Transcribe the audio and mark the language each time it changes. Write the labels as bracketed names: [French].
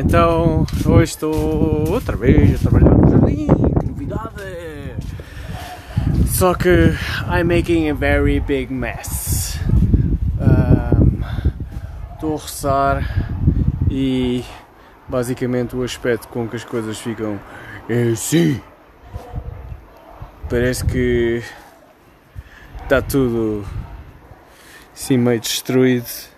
[Portuguese] Então, hoje estou outra vez a trabalhar no jardim, que novidade! Só que [English] I'm making a very big mess. [Portuguese] Estou a roçar e basicamente o aspecto com que as coisas ficam é assim. Parece que está tudo assim meio destruído.